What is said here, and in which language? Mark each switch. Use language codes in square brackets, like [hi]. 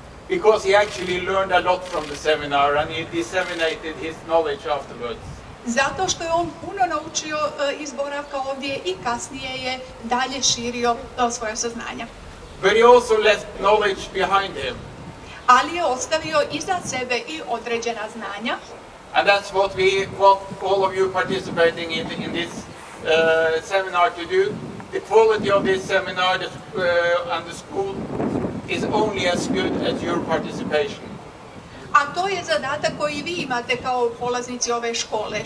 [en] Because he actually learned a lot from the seminar and he disseminated his knowledge afterwards. [hr] Zato što je on puno naučio iz boravka ovdje i kasnije je dalje širio svoje saznanja. [en] But he also left knowledge behind him. [hr] Ali je ostavio iza sebe i određena znanja. [en] And that's what we want all of you participating in this seminar to do. The quality of this seminar and the school is only as good as your participation. [hr] A to je zadatak koji vi imate kao polaznici ove škole.